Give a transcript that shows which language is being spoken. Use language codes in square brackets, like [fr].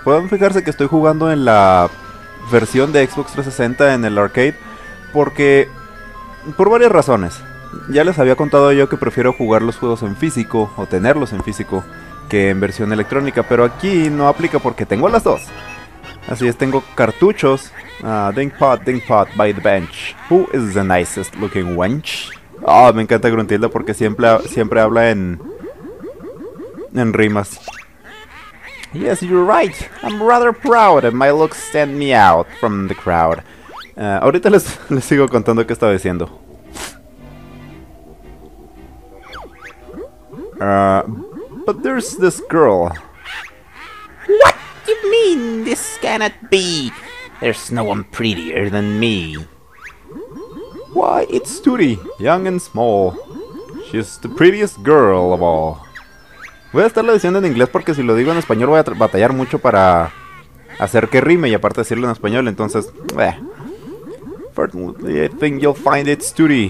[es] Pueden fijarse que estoy jugando en la versión de Xbox 360 en el arcade, porque por varias razones. Ya les había contado yo que prefiero jugar los juegos en físico, o tenerlos en físico, que en versión electrónica, pero aquí no aplica porque tengo las dos. Así es, tengo cartuchos. Dinkpot, [en] by the bench. Who is the nicest looking wench? [es] Ah, oh, me encanta Gruntilda porque siempre habla en rimas. [en] Yes, you're right. I'm rather proud and my looks stand me out from the crowd. [es] Ahorita les sigo contando qué estaba diciendo. [en] But there's this girl. What do you mean this cannot be? There's no one prettier than me. Why, it's Tootie, young and small. She's the prettiest girl of all. [es] Voy a estarlo diciendo en inglés porque si lo digo en español voy a batallar mucho para hacer que rime y aparte decirlo en español, entonces. [en] Fortunately, I think you'll find it's Tootie.